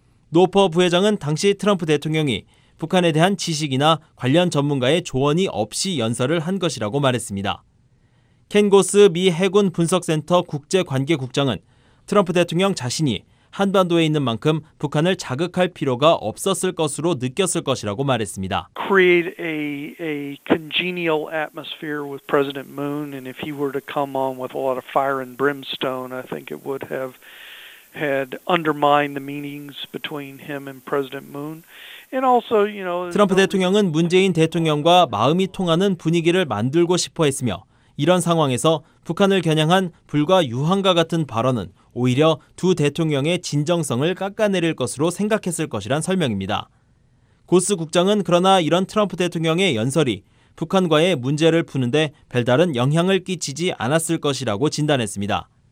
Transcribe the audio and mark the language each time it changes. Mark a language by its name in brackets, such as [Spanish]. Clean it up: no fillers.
[Korean] 노퍼 부회장은 당시 트럼프 대통령이 북한에 대한 지식이나 관련 전문가의 조언이 없이 연설을 한 것이라고 말했습니다. 켄 고스 미 해군 분석센터 국제관계국장은 트럼프 대통령 자신이 한반도에 있는 만큼 북한을 자극할 필요가 없었을 것으로 느꼈을 것이라고 말했습니다. [English] Create a congenial atmosphere with President Moon, and if he were to come on with a lot of fire and brimstone, I think it would have had undermined the meanings between him and President Moon. And also, you know, [Korean] 트럼프 대통령은 문재인 대통령과 마음이 통하는 분위기를 만들고 싶어했으며 이런 상황에서 북한을 겨냥한 불과 유황과 같은 발언은 오히려 두 대통령의 진정성을 깎아내릴 것으로 생각했을 것이란 설명입니다. 고스 국장은 그러나 이런 트럼프 대통령의 연설이 북한과의 문제를 푸는데 별다른 영향을 끼치지 않았을 것이라고 진단했습니다.